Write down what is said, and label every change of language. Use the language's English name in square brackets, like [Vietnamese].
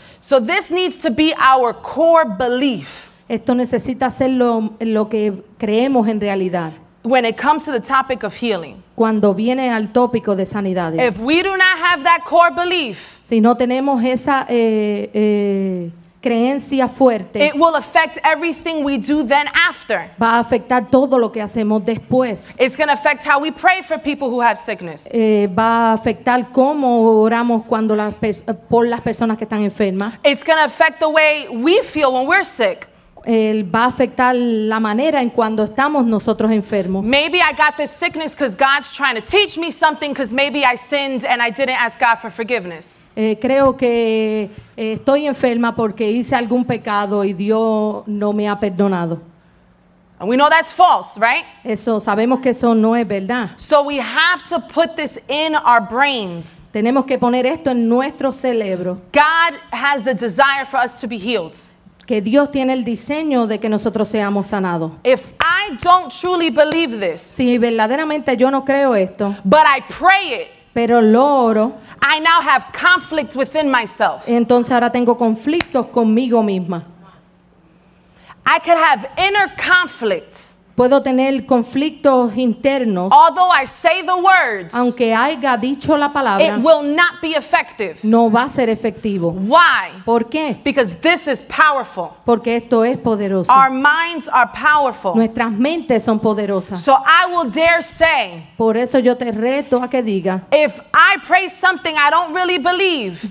[English] So this needs to be our core belief. [Spanish] Esto necesita ser lo que creemos en realidad. [English] When it comes to the topic of healing. [Spanish] Cuando viene al tópico de sanidades. [English] If we do not have that core belief. [Spanish] Si no tenemos esa creencia fuerte. [English] It will affect everything we do then after. [Spanish] Va a afectar todo lo que hacemos después. [English] It's going to affect how we pray for people who have sickness. [Spanish] Va a afectar cómo oramos cuando por las personas que están enfermas. [English] It's going to affect the way we feel when we're sick. [Spanish] Va a afectar la manera en cuando estamos nosotros enfermos. [English] Maybe I got this sickness because God's trying to teach me something because maybe I sinned and I didn't ask God for forgiveness. [Spanish] Creo que estoy enferma porque hice algún pecado y Dios no me ha perdonado. [English] And we know that's false, right? [Spanish] Eso sabemos que eso no es verdad. [English] So we have to put this in our brains. [Spanish] Tenemos que poner esto en nuestro cerebro. [English] God has the desire for us to be healed. [Spanish] Que Dios tiene el diseño de que nosotros seamos sanados. [English] If I don't truly believe this, [Spanish] si verdaderamente yo no creo esto, [English] but I pray it, [Spanish] pero lo oro, [English] I now have conflict within myself. [Spanish] Entonces ahora tengo conflictos conmigo misma. [English] I could have inner conflict. [Spanish] Puedo tener conflictos internos. [English] Although I say the words, [Spanish] aunque haya dicho la palabra, [English] it will not be effective. [Spanish] No va a ser efectivo. [English] Why? [Spanish] ¿Por qué? [English] Because this is powerful. [Spanish] Porque esto es poderoso. [English] Our minds are powerful. [Spanish] Nuestras mentes son poderosas. [English] So I will dare say, [Spanish] por eso yo te reto a que diga, [English] if I pray something I don't really believe,